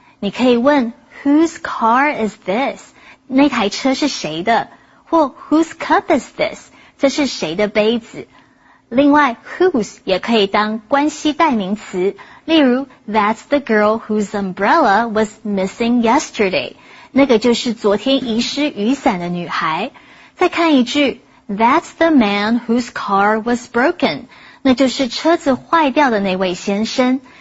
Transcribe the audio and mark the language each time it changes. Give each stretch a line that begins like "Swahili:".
Chinese: 你可以问 ,
English: Whose car is this?
Chinese: 那台车是谁的，或 ,
English: Whose cup is this?
Chinese: 这是谁的杯子。另外 ,Whose 也可以当关系代名词，例如 ,
English: That's the girl whose umbrella was missing yesterday.
Chinese: 那个就是昨天遗失雨伞的女孩。再看一句
English: ,That's the man whose car was broken.
Chinese: 那就是车子坏掉的那位先生。